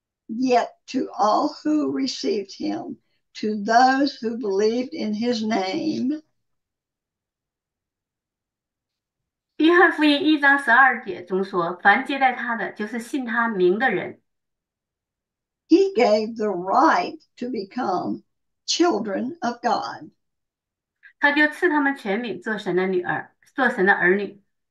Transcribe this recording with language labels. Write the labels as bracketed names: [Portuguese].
[English] Yet to all who received him, to those who believed in his name. [Chinese] 约翰福音1章12节中说，凡接待他的，就是信他名的人。 [English] He gave the right to become children of God. [Chinese] 他就赐他们权柄做神的女儿，做神的儿女。